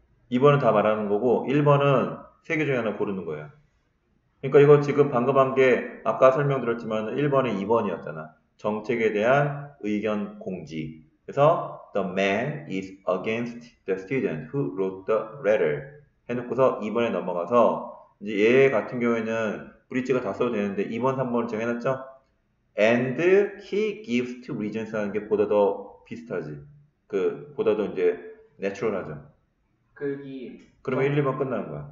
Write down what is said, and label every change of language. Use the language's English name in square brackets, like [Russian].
[Korean] 2번은 다 말하는 거고, 1번은 세 개 중에 하나 고르는 거예요. 그러니까 이거 지금 방금 한 게, 아까 설명드렸지만, 1번에 2번이었잖아. 정책에 대한 의견 공지. 그래서, [English] the man is against the student who wrote the letter. [Korean] 해놓고서 2번에 넘어가서, 이제 얘 같은 경우에는 브릿지가 다 써도 되는데, 2번, 3번을 정해놨죠? [English] And he gives two reasons [Korean] 하는 게 보다 더 비슷하지. 그, 보다 더 이제, natural 하죠. 그러면 1, 2번 끝나는 거야.